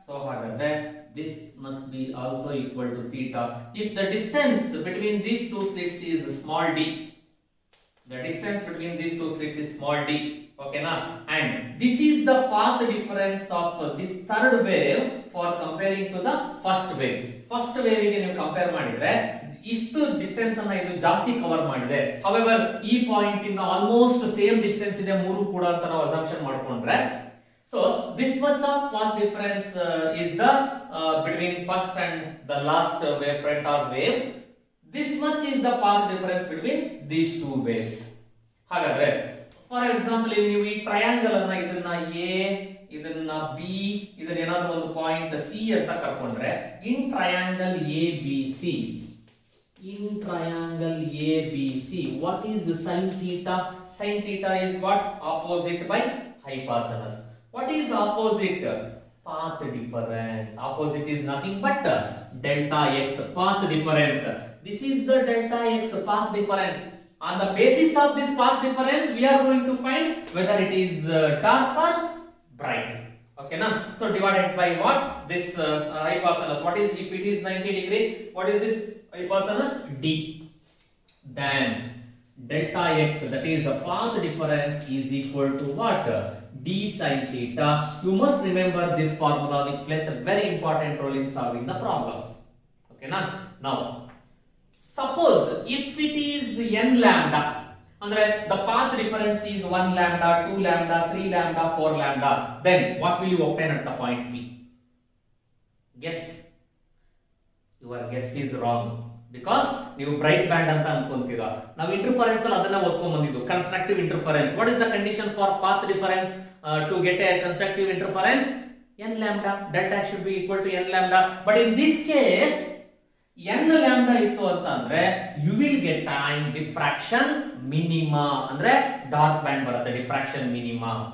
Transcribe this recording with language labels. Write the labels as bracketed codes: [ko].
[en] So hagadre this must be also equal to theta. If the distance between these two slits is small d, the distance between these two slits is small d, okay na, and this is the path difference of this third wave for comparing to the first wave. [kn] First wave ge nu compare madidre ಇಷ್ಟು distance ಅನ್ನ ಇದು ಜಾಸ್ತಿ cover ಮಾಡಿದೆ. However ಈ point ಇಂದ almost same distance ಇದೆ ಮೂರು ಕೂಡ ಅಂತ ನಾವು ಅಸಂಪ್ಷನ್ ಮಾಡ್ಕೊಂಡ್ರೆ, [en] So this much of path difference is the between first and the last wave front or wave, this much is the path difference between these two waves. [kn] ಹಾಗಾದ್ರೆ for example ನೀವು ಈ triangle ಅನ್ನ ಇದನ್ನ A, ಇದನ್ನ B, ಇದನ್ನ ಏನಾದ್ರೂ ಒಂದು point C ಅಂತ ಕರ್ಕೊಂಡ್ರೆ, in triangle A B C, [en] in triangle ABC, what is sin theta? Sin theta is what? Opposite by hypotenuse. What is opposite? Path difference. Opposite is nothing but delta x, path difference. This is the delta x, path difference. On the basis of this path difference, we are going to find whether it is dark or bright. Okay, now, so divided by what? This hypotenuse. What is, if it is 90 degree, what is this? Hypotenuse D. Then delta x, that is the path difference, is equal to what? D sin theta. You must remember this formula, which plays a very important role in solving the problems. Okay, now, now suppose if it is n lambda, and the path difference is 1 lambda, 2 lambda, 3 lambda, 4 lambda, then what will you obtain at the point P? Guess. Your guess is wrong. [kn] Because ನೀವು bright band ಅಂತ ಅನ್ಕೊಂತೀರ. ನಾವು interference ಅಲ್ಲಿ ಅದನ್ನ ಓದ್ಕೊಂಡ್ ಬಂದಿದ್ದು constructive interference. [en] What is the condition for path difference to get a constructive interference? N lambda, delta should be equal to n lambda. But in this case n lambda [kn] ಇತ್ತು ಅಂತ ಅಂದ್ರೆ [en] you will get time diffraction minima, [kn] ಅಂದ್ರೆ dark band ಬರುತ್ತೆ [en] Diffraction minima.